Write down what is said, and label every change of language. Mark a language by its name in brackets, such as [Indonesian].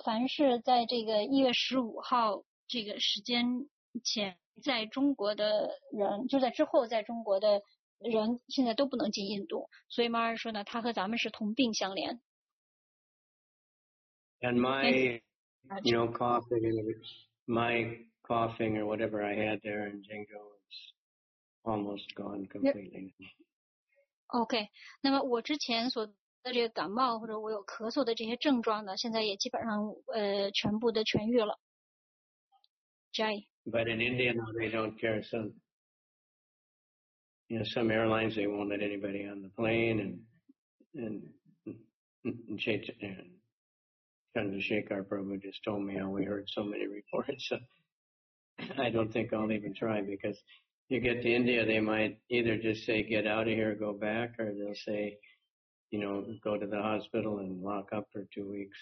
[Chinese] 凡是在这个1月15号这个时间前在中国的人，就在之后在中国的人，现在都不能进印度。所以 Mara 说呢，他和咱们是同病相怜。 [English] And my, you know, coughing or whatever I had there in Jingzhou is almost gone completely. Okay. [Chinese] 那么我之前所的这个感冒或者我有咳嗽的这些症状呢，现在也基本上全部的痊愈了。 Jai. [English] But in India now they don't care. Some, you know, some airlines they won't let anybody on the plane and Chandrasekhar Prabhu just told me how we heard so many reports. So I don't think I'll even try, because you get to India, they might either just say, get out of here, go back, or they'll say, you know, go to the hospital and lock up for 2 weeks.